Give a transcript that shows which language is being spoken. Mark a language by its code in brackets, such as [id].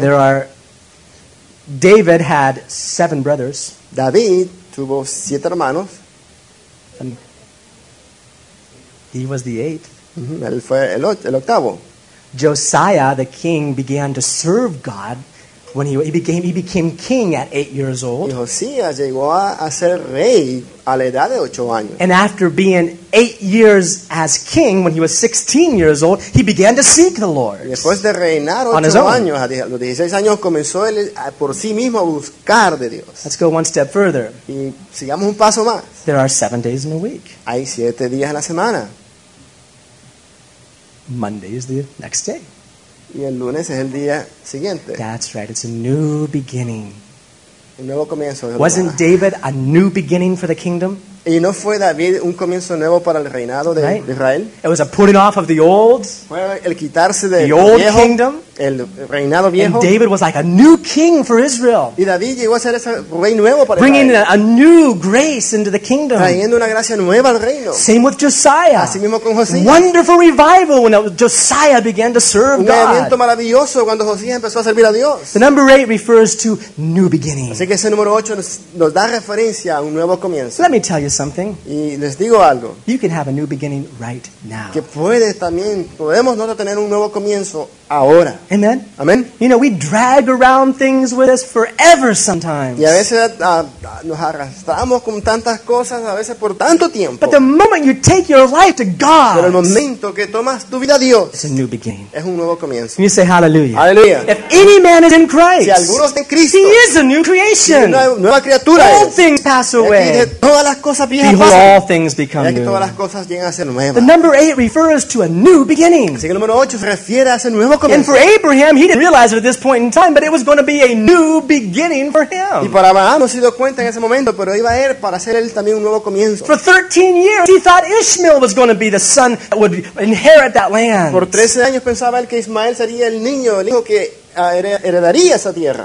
[en] There are David had 7 brothers. [es] David tuvo 7 hermanos. And [en] he was the 8th. [es] Mm-hmm. Él fue el octavo. [en] Josiah, the king, began to serve God when he became king at 8 years old. [es] Josías llegó a ser rey a la edad de 8 años. [en] And after being 8 years as king, when he was 16 years old, he began to seek the Lord. [es] Después de reinar 8 años, a los 16 años, comenzó él por sí mismo a buscar de Dios. [en] Let's go one step further. [es] Y sigamos un paso más. [en] There are 7 days in a week. [es] Hay 7 días en la semana. [en] Monday is the next day. [es] Y el lunes es el día siguiente. [en] That's right. It's a new beginning. [es] Un nuevo comienzo. [en] Wasn't David a new beginning for the kingdom? [es] ¿Y no fue David un comienzo nuevo para el reinado de, right, de Israel? [en] It was a putting off of the old. [es] Fue el quitarse del [en] the old [es] viejo, [en] kingdom. [es] El reinado viejo. [en] And David was like a new king for Israel. [es] Y David llegó a ser ese rey nuevo para [en] bringing [es] Israel. [en] A new grace into the kingdom. [es] Trayendo una gracia nueva al reino. [en] Same with Josiah. [es] Así mismo con Josías. [en] Wonderful revival when Josiah began to serve [es] God. Un avivamiento maravilloso cuando Josías empezó a servir a Dios. [en] The number 8 refers to new beginning. [es] Así que ese número 8 nos da referencia a un nuevo comienzo. [en] Let me tell you something. [es] Y les digo algo. [en] You can have a new beginning right now. [es] Que podemos nosotros tener un nuevo comienzo ahora. Amen. Amen. [en] You know, we drag around things with us forever sometimes. [es] Y a veces nos arrastramos con tantas cosas a veces por tanto tiempo. [en] But the moment you take your life to God, [es] pero el momento que tomas tu vida a Dios, [en] it's a new beginning. [es] Es un nuevo comienzo. [en] Can you say hallelujah? Hallelujah. If any man is in Christ, [es] si alguno está en Cristo, [en] he is a new creation. [es] Es una nueva criatura. [en] All things pass away. [es] Todas las cosas viejas pasan. [en] Behold, all things become new. [es] Todas las cosas llegan a ser nuevas. [en] The number 8 refers to a new beginning. [es] Así que el número 8 se refiere a ese nuevo. [en] And for Abraham, he didn't realize it at this point in time, but it was going to be a new beginning for him. [es] Y para Abraham no se dio cuenta en ese momento, pero iba a ser para hacer él también un nuevo comienzo. [en] For 13 years, he thought Ishmael was going to be the son that would inherit that land. [es] Por 13 años pensaba él que Ismael sería el niño que heredaría esa tierra.